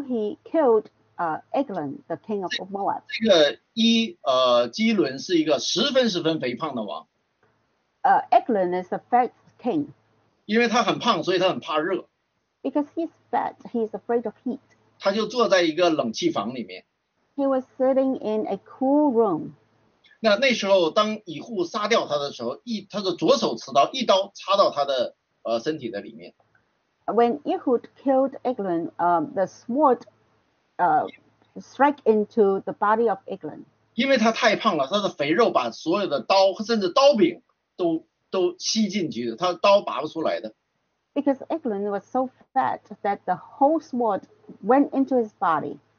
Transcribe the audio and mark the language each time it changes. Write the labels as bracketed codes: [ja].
[en] He killed Eglon, the king of Moab. [zh] 这个基伦是一个十分十分肥胖的王。 [en] Eglon is a fat king. [zh] 因为他很胖，所以他很怕热。 [en] Because he's fat, he's afraid of heat. [zh] 他就坐在一个冷气房里面。 [en] He was sitting in a cool room. [zh] 那时候当以户杀掉他的时候，他的左手持刀，一刀插到他的身体的里面。 [en] When Ehud killed Eglon, the sword strike into the body of Eglon. [zh] 因为他太胖了，他的肥肉把所有的刀甚至刀柄都吸进去，他刀拔不出来的。 [en] Because Eglon was so fat that the whole sword went into his body.